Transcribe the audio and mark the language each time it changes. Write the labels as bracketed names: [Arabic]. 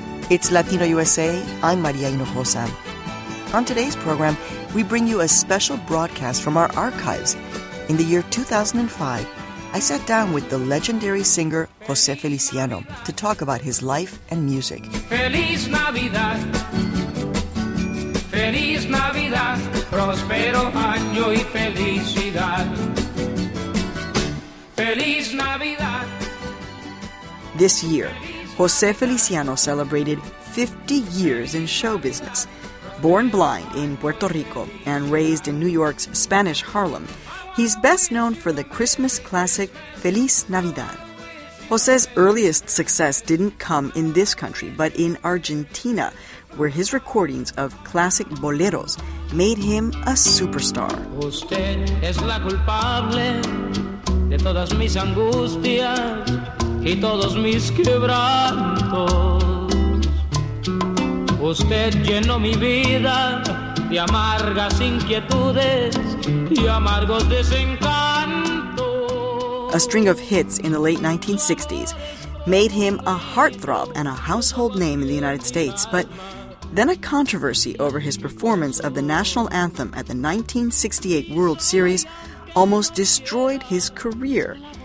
[English] It's Latino USA. I'm Maria Hinojosa. On today's program, we bring you a special broadcast from our archives. In the year 2005, I sat down with the legendary singer José Feliciano to talk about his life and music. [Spanish] Feliz Navidad. Feliz Navidad. Prospero año y felicidad. Feliz Navidad. [English] This year, José Feliciano celebrated 50 years in show business. Born blind in Puerto Rico and raised in New York's Spanish Harlem, he's best known for the Christmas classic Feliz Navidad. José's earliest success didn't come in this country, but in Argentina, where his recordings of classic boleros made him a superstar. [Spanish] Usted es la culpable de todas mis angustias. Y todos mis quebrantos. Usted llenó mi vida de amargas inquietudes y amargos desencantos. [English] A string of hits in the late 1960s made him a heartthrob and a household name in the United States, but then a controversy over his performance of the national anthem at the 1968 World Series almost destroyed his career.